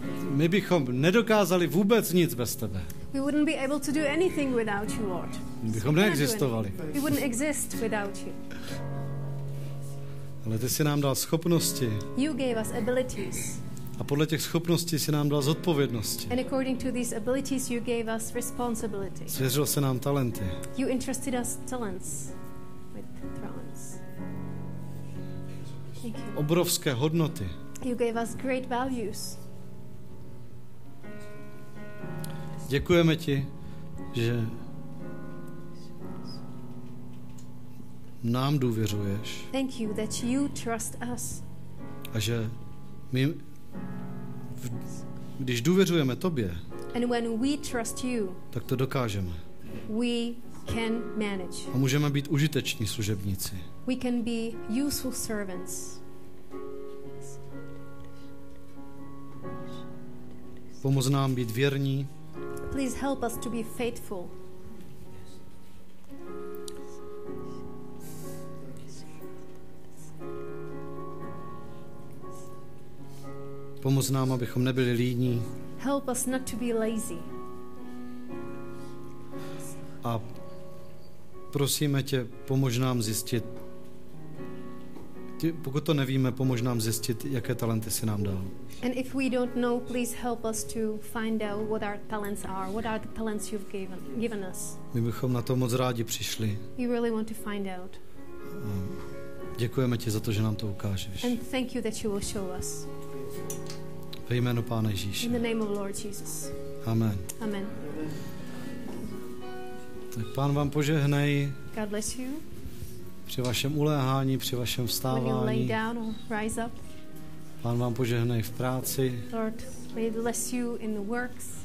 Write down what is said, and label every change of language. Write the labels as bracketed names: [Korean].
[Czech] My bychom nedokázali vůbec nic bez tebe. [English] We wouldn't be able to do anything without you, Lord. [Czech] My bychom neexistovali. [English] We wouldn't exist without you. [Czech] Ale ty jsi nám dal schopnosti. [English] You gave us abilities. [Czech] A podle těch schopností si nám dal zodpovědnosti. [English] And according to these abilities you gave us responsibility. [Czech] Svěřil se nám talenty. [English] You entrusted us talents with thrones. [Czech] Obrovské hodnoty. [English] You gave us great values. [Czech] Děkujeme ti, že nám důvěřuješ. [English] Thank you that you trust us. [Czech] A že my když důvěřujeme tobě, [English] and when we trust you, [Czech] tak to dokážeme. [English] We can manage. [Czech] A můžeme být užiteční služebníci. [English] We can be useful servants. [Czech] Pomoz nám být věrní. [English] Please help us to be faithful. [Czech] Pomoz nám, abychom nebyli líní. [English] Help us not to be lazy. [Czech] A prosíme tě, pomož nám zjistit. Pokud to nevíme, pomož nám zjistit, jaké talenty jsi nám dal. [English] And if we don't know, please help us to find out what our talents are, what are the talents you've given us. [Czech] My bychom na to moc rádi přišli. [English] We really want to find out. [Czech] Děkujeme ti za to, že nám to ukážeš. [English] And thank you that you will show us. [Czech] Ve jménu Pána Ježíše. [English] In the name of Lord Jesus. [Czech] Amen. [English] Amen. [Czech] Tak Pán vám požehnej. [English] God bless you. [Czech] Při vašem uléhání, při vašem vstávání. [English] When you lay down or rise up. [Czech] Pán vám požehnej v práci. [English] Lord, may bless you in the works.